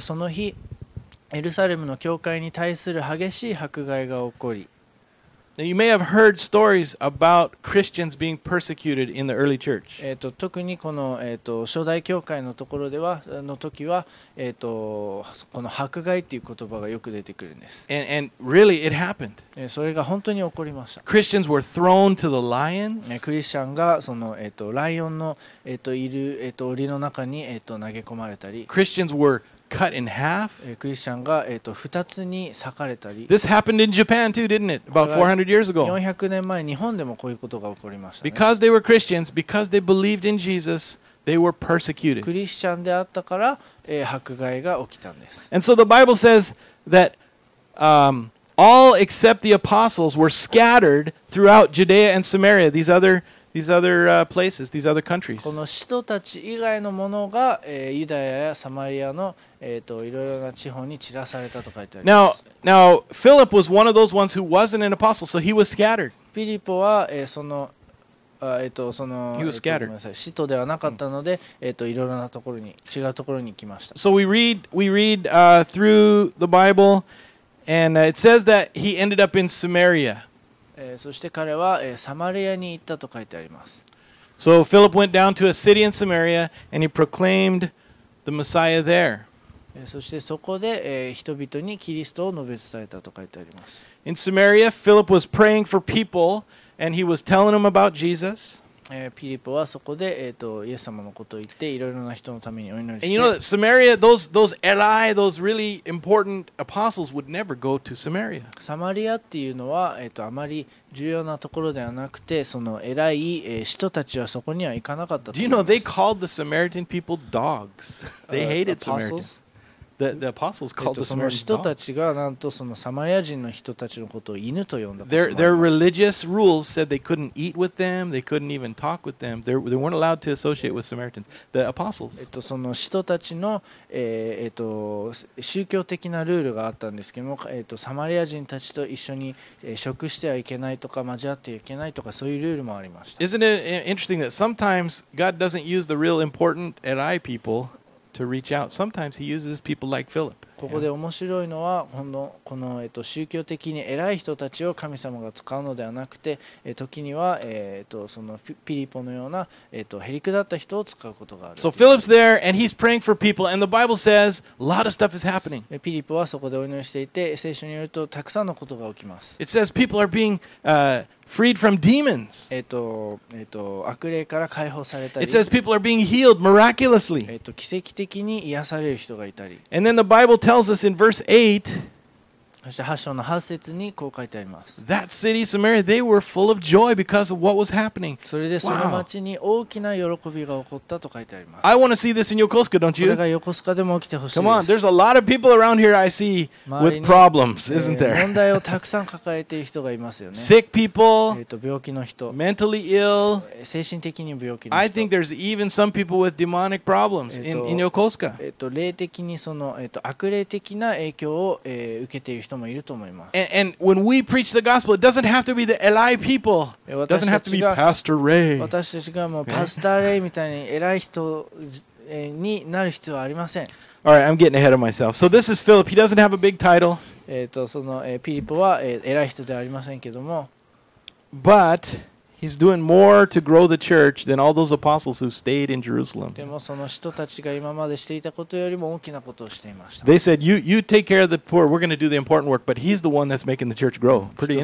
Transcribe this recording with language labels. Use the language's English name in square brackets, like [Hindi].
[Japanese] その日、エルサレムの教会に対する激しい迫害が起こり、 [English] Now, you may have heard stories about Christians being persecuted in the early church. [Japanese] 特にこの、初代教会のところでは、の時は、この迫害という言葉がよく出てくるんです。 [English] And really, it happened. [Japanese] それが本当に起こりました。 [English] Christians were thrown to the lions. [Japanese] クリスチャンがその、ライオンの、いる、檻の中に、投げ込まれたり。 [English] Christians were cut in half. [Japanese] クリスチャンが、2つに裂かれたり。 [English] This happened in Japan too, didn't it? About 400 years ago. [Japanese] 400年前、日本でもこういうことが起こりましたね。 [English] Because they were Christians, because they believed in Jesus, they were persecuted. [Japanese] クリスチャンであったから、迫害が起きたんです。 [English] And so the Bible says that, all except the apostles were scattered throughout Judea and Samaria. These other countries. [Japanese] この使徒たち以外のものが、ユダヤやサマリアの、いろいろな地方に散らされたと書いてあります。 [English] Now, Philip was one of those ones who wasn't an apostle, so he was scattered. [Japanese] ピリポは、その、 [English] he was scattered. [Japanese] 使徒ではなかったので、いろいろなところに、違うところに行きました。 [English] So we read, through the Bible, and it says that he ended up in Samaria. [Japanese] そして彼は、サマリアに行ったと書いてあります。 [English] So Philip went down to a city in Samaria and he proclaimed the Messiah there. [Japanese] そしてそこで、人々にキリストを述べ伝えたと書いてあります。 [English] In Samaria, Philip was praying for people and he was telling them about Jesus. [Japanese] ピリポはそこで、イエス様のことを言っていろいろな人のためにお祈りして。 [English] And you know that Samaria, those Eli, those really important apostles would never go to Samaria. [Japanese] サマリアっていうのは、あまり重要なところではなくて、その偉い、使徒たちはそこには行かなかったと思います。 [English] Do you know they called the Samaritan people dogs? They hated Samaritans. The apostles called the Samaritans dogs. [Japanese] その使徒たちがなんとそのサマリア人の人たちのことを犬と呼んだ。 [English] Their religious rules said they couldn't eat with them, they couldn't even talk with them. They weren't allowed to associate with Samaritans. The apostles. [Japanese] その使徒たちの宗教的なルールがあったんですけども、サマリア人たちと一緒に食してはいけないとか交わってはいけないとかそういうルールもありました。 [English] Isn't it interesting that sometimes God doesn't use the real important Eli people? To reach out. Sometimes he uses people like Philip. [Japanese] ここで面白いのは、この宗教的に偉い人たちを神様が使うのではなくて、時にはそのピリポのようなへりくだった人を使うことがある。 [English] So Philip's there and he's praying for people, and the Bible says a lot of stuff is happening. [Japanese] ピリポはそこでお祈りしていて、聖書によるとたくさんのことが起きます。 [English] It says people are being freed from demons. [Japanese] 悪霊から解放されたり。 [English] It says people are being healed miraculously. [Japanese] 奇跡的に癒される人がいたり。 [English] And then the Bible tells us in verse 8. [Japanese] そして8章の8節にこう書いてあります。 [English] That city, Samaria, they were full of joy because of what was happening. [Japanese] それでその町に大きな喜びが起こったと書いてあります。 [English] I want to see this in Yokosuka, don't you? [Japanese] これが横須賀でも起きてほしいです。 [English] Come on, there's a lot of people around here I see with problems, isn't there? [Japanese] 問題をたくさん抱えている人がいますよね。 [English] Sick people, [Japanese] 病気の人。 [English] Mentally ill, [Japanese] 精神的に病気の [English] I think there's even some people with demonic problems in Yokosuka. [Japanese] 霊的にその悪霊的な影響を受けている人もいると思います。 [English] And when we preach the gospel, it doesn't have to be the Eli people. It doesn't have to be Pastor Ray. [Japanese] 私たちがもうパスタレイみたいに偉い人になる必要はありません。 [English] All right, I'm getting ahead of myself. So this is Philip. He doesn't have a big title. [Japanese] その、ピリポは、偉い人ではありませんけども。 [English] But he's doing more to grow the church than all those apostles who stayed in Jerusalem. [Japanese] でもその使徒たちが今までしていたことよりも大きなことをしていました。 [English] They said, you take care of the poor, we're going to do the important work, but he's the one that's making the church grow. Pretty interesting.